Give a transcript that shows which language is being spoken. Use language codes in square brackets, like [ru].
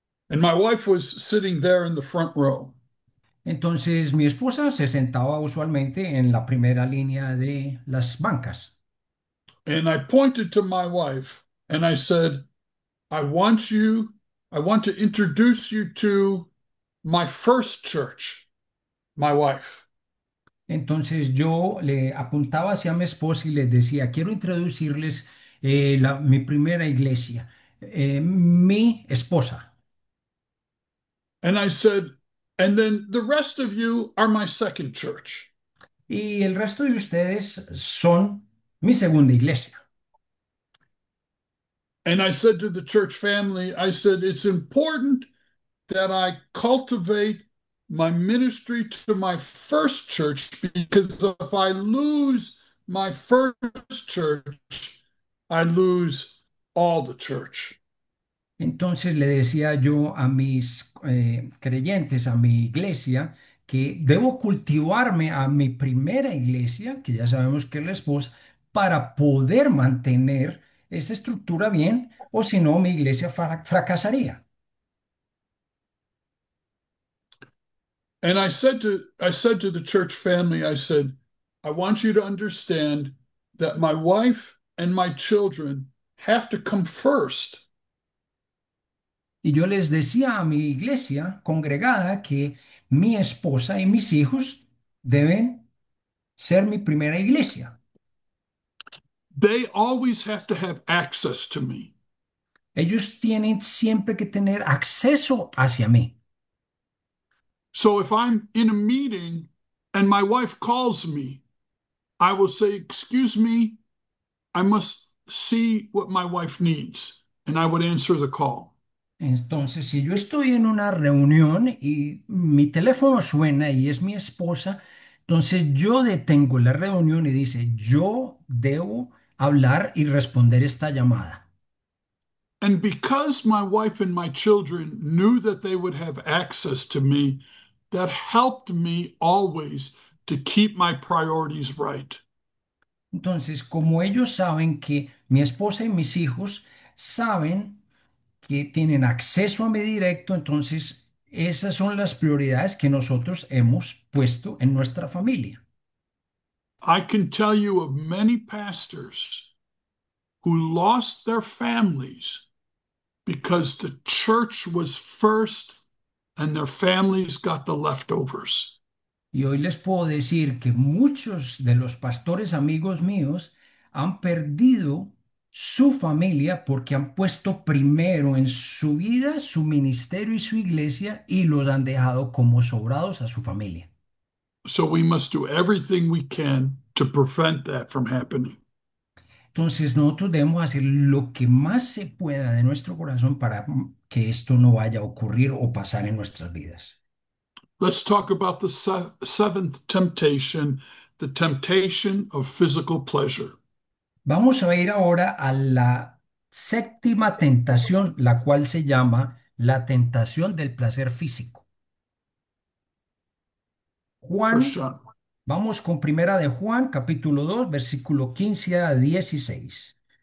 [en] And my wife was sitting there in the front row. [es] Entonces mi esposa se sentaba usualmente en la primera línea de las bancas. [en] And I pointed to my wife and I said, I want to introduce you to my first church, my wife. [es] Entonces yo le apuntaba hacia mi esposa y les decía, quiero introducirles mi primera iglesia, mi esposa. [en] And I said, and then the rest of you are my second church. [es] Y el resto de ustedes son mi segunda iglesia. [en] And I said to the church family, I said, it's important that I cultivate my ministry to my first church because if I lose my first church, I lose all the church. [es] Entonces le decía yo a mis creyentes, a mi iglesia, que debo cultivarme a mi primera iglesia, que ya sabemos que es la esposa, para poder mantener esa estructura bien, o si no, mi iglesia fracasaría. [en] And I said to the church family, I said, I want you to understand that my wife and my children have to come first. [es] Y yo les decía a mi iglesia congregada que mi esposa y mis hijos deben ser mi primera iglesia. [en] They always have to have access to me. [es] Ellos tienen siempre que tener acceso hacia mí. [en] So if I'm in a meeting and my wife calls me, I will say, excuse me, I must see what my wife needs, and I would answer the call. [es] Entonces, si yo estoy en una reunión y mi teléfono suena y es mi esposa, entonces yo detengo la reunión y dice, yo debo hablar y responder esta llamada. [en] And because my wife and my children knew that they would have access to me, that helped me always to keep my priorities right. [es] Entonces, como ellos saben que mi esposa y mis hijos saben que tienen acceso a mi directo, entonces esas son las prioridades que nosotros hemos puesto en nuestra familia. [en] I can tell you of many pastors who lost their families because the church was first. And their families got the leftovers. [es] Y hoy les puedo decir que muchos de los pastores amigos míos han perdido su familia porque han puesto primero en su vida, su ministerio y su iglesia y los han dejado como sobrados a su familia. [en] So we must do everything we can to prevent that from happening. [es] Entonces nosotros debemos hacer lo que más se pueda de nuestro corazón para que esto no vaya a ocurrir o pasar en nuestras vidas. [en] Let's talk about the seventh temptation, the temptation of physical pleasure. [es] Vamos a ir ahora a la séptima tentación, la cual se llama la tentación del placer físico. [en] First John. [es] vamos con primera de Juan, capítulo 2, versículo 15 a 16.